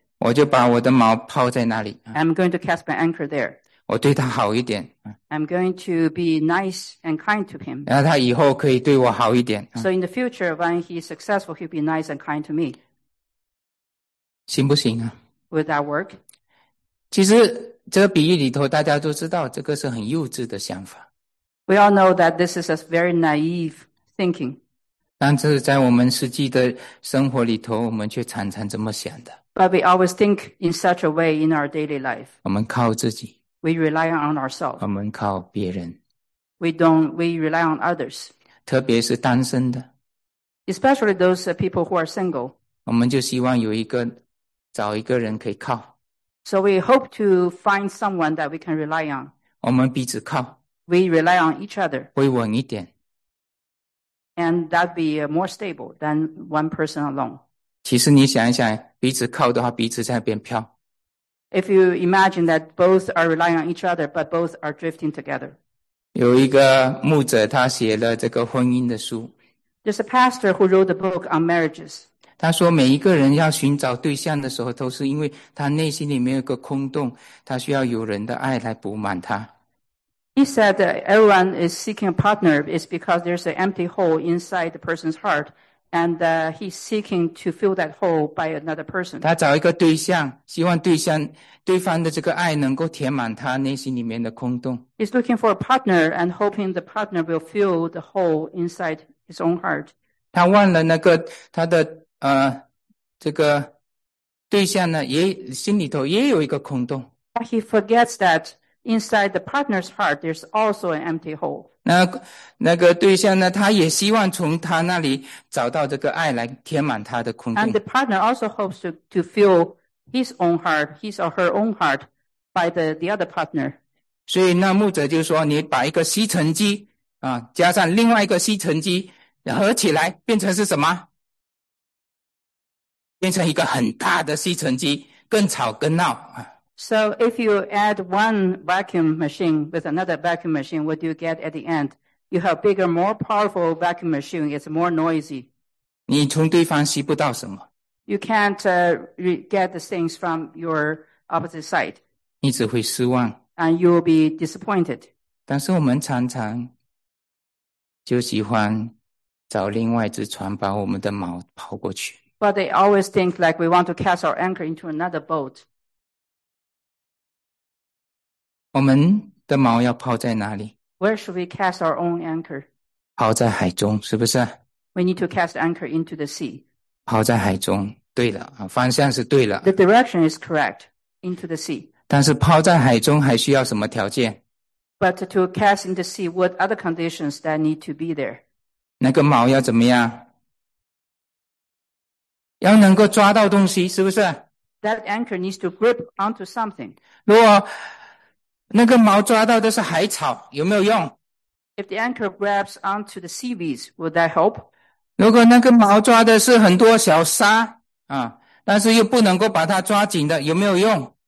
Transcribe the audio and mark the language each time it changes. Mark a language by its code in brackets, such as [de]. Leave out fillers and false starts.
[zh] 我就把我的锚抛在那里。 [en] I'm going to cast my anchor there. [zh] 我对他好一点。 [en] I'm going to be nice and kind to him. [zh] 然后他以后可以对我好一点。 [en] So in the future, when he's successful, he'll be nice and kind to me. [zh] 行不行啊？ [en] Would that work? [zh] 其实这个比喻里头大家都知道这个是很幼稚的想法。 [en] We all know that this is a very naive thinking. [zh] 但是在我们实际的生活里头我们却常常这么想的。 [en] But we always think in such a way in our daily life. [zh] 我们靠自己。 [en] We rely on ourselves. [zh] 我们靠别人。 [en] We rely on others. [zh] 特别是单身的。 [en] Especially those people who are single. [zh] 我们就希望有一个找一个人可以靠。 [en] So we hope to find someone that we can rely on. [zh] 我们彼此靠。 [en] We rely on each other. [zh] 会稳一点。 [en] And that'd be more stable than one person alone. [zh] 其实你想一想，彼此靠的话，彼此在那边飘。 [en] If you imagine that both are relying on each other, but both are drifting together. [zh] 有一个牧者，他写了这个婚姻的书。 [en] There's a pastor who wrote a book on marriages. [zh] 他说每一个人要寻找对象的时候都是因为他内心里面有个空洞，他需要有人的爱来补满他。 [en] He said that everyone is seeking a partner is because there's an empty hole inside the person's heart and he's seeking to fill that hole by another person. [zh] 他找一个对象，希望对方的这个爱能够填满他内心里面的空洞。 [en] He's looking for a partner and hoping the partner will fill the hole inside his own heart. [zh] 他忘了那个他的这个对象呢也心里头也有一个空洞。 [en] He forgets that inside the partner's heart there's also an empty hole. [zh] 那个对象呢他也希望从他那里找到这个爱来填满他的空洞。 [en] And the partner also hopes to fill his own heart, his or her own heart by the other partner. [zh] 所以那牧者就说你把一个吸尘机加上另外一个吸尘机合起来变成是什么变成一个很大的吸尘机，更吵更闹。 [en] So if you add one vacuum machine with another vacuum machine, what do you get at the end? You have bigger, more powerful vacuum machine. It's more noisy. [zh] 你从对方吸不到什么。 [en] You can't get the things from your opposite side. [zh] 你只会失望。 [en] And you will be disappointed. [zh] 但是我们常常就喜欢找另外一只船把我们的锚抛过去。 [en] But they always think like we want to cast our anchor into another boat. [zh] 我们的锚要抛在哪里？ [en] Where should we cast our own anchor? [zh] 抛在海中，是不是？ [en] We need to cast anchor into the sea. [zh] 抛在海中，对了，方向是对了。 [en] The direction is correct, into the sea. [zh] 但是抛在海中还需要什么条件？ [en] But to cast into sea, what other conditions that need to be there? [zh] 那个锚要怎么样？要能够抓到东西，是不是？ [en] That anchor needs to grip onto something. [zh] 如果那个锚抓到的是海草，有没有用？ [en] If the anchor grabs onto the seaweeds, would that help? [zh] 如果那个锚抓的是很多小沙啊，但是又不能够把它抓紧的，有没有用？